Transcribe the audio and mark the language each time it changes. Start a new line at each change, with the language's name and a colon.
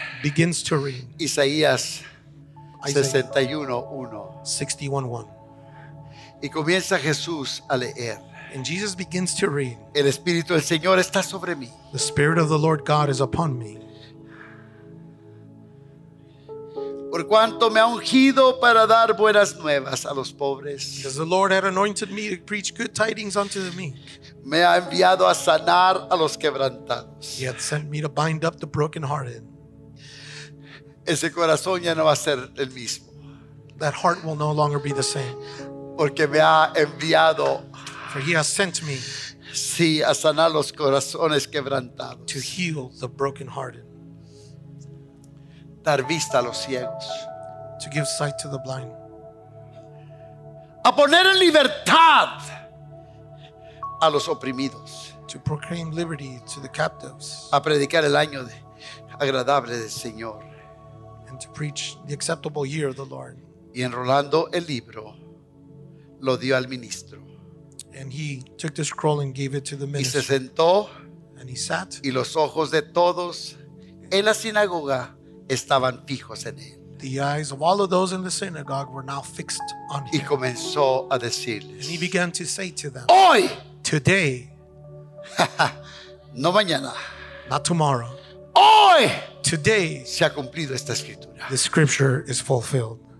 English: Begins to read.
Spanish: Isaías 61:1. 61:1. Y comienza Jesús a leer.
English: And Jesus begins to read.
Spanish: El Espíritu del Señor está sobre mí.
English: The Spirit of the Lord God is upon me.
Spanish: Por cuanto me ha ungido para dar buenas nuevas a los pobres.
English: Because the Lord had anointed me to preach good tidings unto the meek.
Spanish: Me ha enviado a sanar a los quebrantados.
English: He had sent me to bind up the brokenhearted.
Spanish: Ese corazón ya no va a ser el mismo.
English: That heart will no longer be the same.
Spanish: Porque me ha enviado.
English: For he has sent me.
Spanish: Sí, a sanar los corazones quebrantados.
English: To heal the brokenhearted.
Spanish: Dar vista a los ciegos.
English: To give sight to the blind.
Spanish: A poner en libertad a los oprimidos.
English: To proclaim liberty to the captives.
Spanish: A predicar el año agradable del Señor.
English: And to preach the acceptable year of the Lord.
Spanish: Y enrollando el libro, lo dio al ministro.
English: And he took the scroll and gave it to the minister.
Spanish: Y se sentó.
English: And he sat.
Spanish: Y los ojos de todos en la sinagoga estaban fijos en él.
English: The eyes of all of those in the synagogue were now fixed on him.
Spanish: Y comenzó a decirles,
English: and he began to say to them,
Spanish: hoy,
English: today,
Spanish: no mañana,
English: not tomorrow,
Spanish: hoy,
English: today,
Spanish: se ha cumplido esta escritura.
English: The scripture is fulfilled.